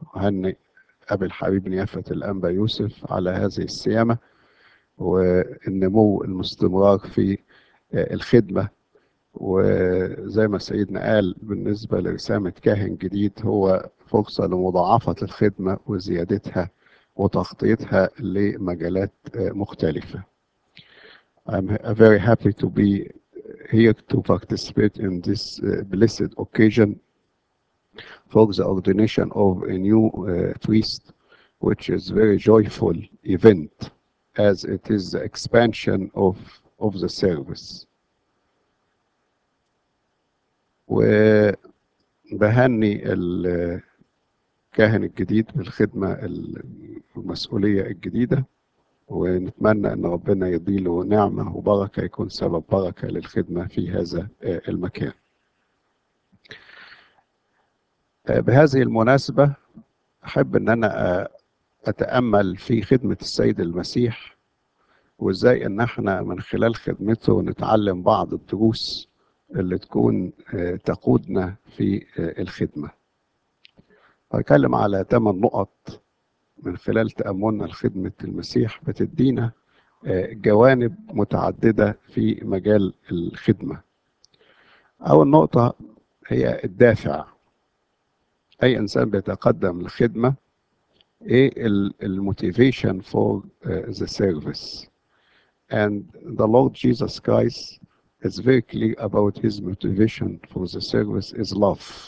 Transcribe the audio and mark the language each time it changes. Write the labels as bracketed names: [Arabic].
[Arabic] أهنئ أبي الحبيب نيافة الأنبا يوسف على هذه الصيامة والنمو المستمرار في الخدمة، وزي ما سيدنا قال بالنسبة لرسامة كاهن جديد هو فرصة لمضاعفة الخدمة وزيادتها وتغطيتها لمجالات مختلفة. [English] I'm very happy to be here to participate in this blessed occasion for the ordination of a new priest, which is very joyful event as it is the expansion of the service. [Arabic] وبهني الكاهن الجديد بالخدمة المسؤولية الجديدة، ونتمنى أن ربنا يديله نعمة وبركة يكون سبب بركة للخدمة في هذا المكان. بهذه المناسبة أحب أن أنا أتأمل في خدمة السيد المسيح، وإزاي أن احنا من خلال خدمته نتعلم بعض الدروس اللي تكون تقودنا في الخدمة. هتكلم على 8 نقط من خلال تأملنا لخدمة المسيح بتدينا جوانب متعددة في مجال الخدمة. أول نقطة هي الدافع. أي إنسان بيتقدم للخدمة، إيه [English] الموتيفيشن for the service? And the Lord Jesus Christ is very clear about his motivation for the service is love.